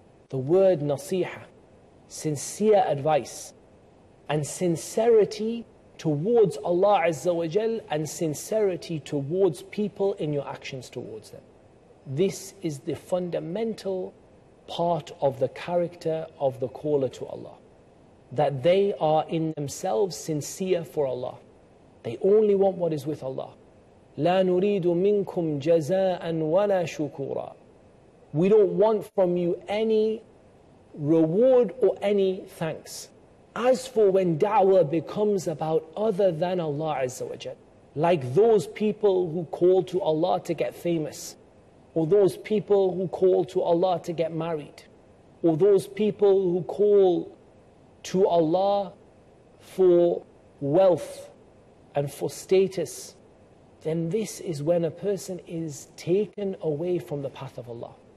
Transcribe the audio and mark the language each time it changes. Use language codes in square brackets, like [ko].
[en] The word nasiha, sincere advice, and sincerity towards Allah Azza wa Jal and sincerity towards people in your actions towards them. This is the fundamental part of the character of the caller to Allah, that they are in themselves sincere for Allah. They only want what is with Allah. [ar] لا نريد منكم جزاء ولا شكورا. [en] We don't want from you any reward or any thanks. As for when da'wah becomes about other than Allah Azza wa Jal, like those people who call to Allah to get famous, or those people who call to Allah to get married, or those people who call to Allah for wealth and for status, then this is when a person is taken away from the path of Allah.